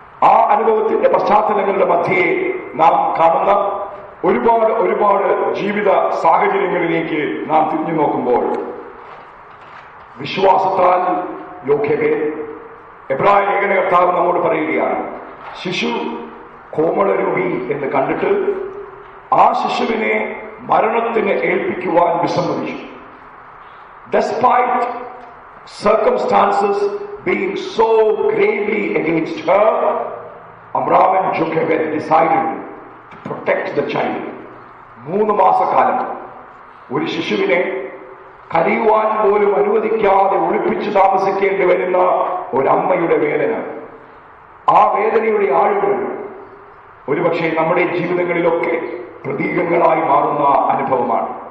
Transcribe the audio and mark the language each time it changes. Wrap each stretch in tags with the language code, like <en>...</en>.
<ml>ആ അനുഭവത്തിന്റെ പശ്ചാത്തലങ്ങളുടെ മധ്യേ നാം കാണുന്ന ഒരുപാട് ഒരുപാട് ജീവിത സാഹചര്യങ്ങളിലേക്ക് നാം തിരിഞ്ഞു നോക്കുമ്പോൾ വിശ്വാസത്താൽ യോഗ്യവേ എബ്രായ ലേഖനകർത്താവ് നമ്മോട് പറയുകയാണ്, ശിശു കോമളരൂപി എന്ന് കണ്ടിട്ട് ആ ശിശുവിനെ മരണത്തിന് ഏൽപ്പിക്കുവാൻ വിസമ്മതിച്ചു.</ml> <en>Despite circumstances being so gravely against her, Amram and Jochebed decided to protect the child.</en> <ml>3 മാസക്കാലം ഒരു ശിശുവിനെ കരയുവാൻ പോലും അനുവദിക്കാതെ ഒളിപ്പിച്ചു താമസിക്കേണ്ടി വരുന്ന ഒരമ്മയുടെ വേദന, ആ വേദനയുടെ ആഴുകൾ ഒരുപക്ഷെ നമ്മുടെ ജീവിതങ്ങളിലൊക്കെ പ്രതീകങ്ങളായി മാറുന്ന അനുഭവമാണ്.</ml>